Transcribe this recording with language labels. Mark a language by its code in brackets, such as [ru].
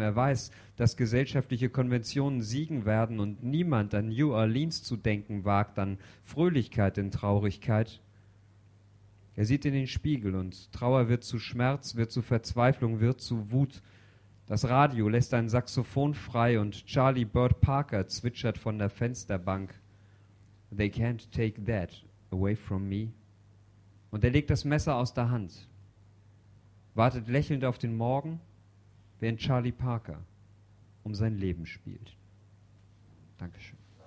[de] Er weiß, dass gesellschaftliche Konventionen siegen werden und niemand an New Orleans zu denken wagt, an Fröhlichkeit in Traurigkeit. Er sieht in den Spiegel und Trauer wird zu Schmerz, wird zu Verzweiflung, wird zu Wut. Das Radio lässt ein Saxophon frei und Charlie Bird Parker zwitschert von der Fensterbank. [en] They can't take that away from me. [de] Und er legt das Messer aus der Hand, wartet lächelnd auf den Morgen, während Charlie Parker um sein Leben spielt. Dankeschön.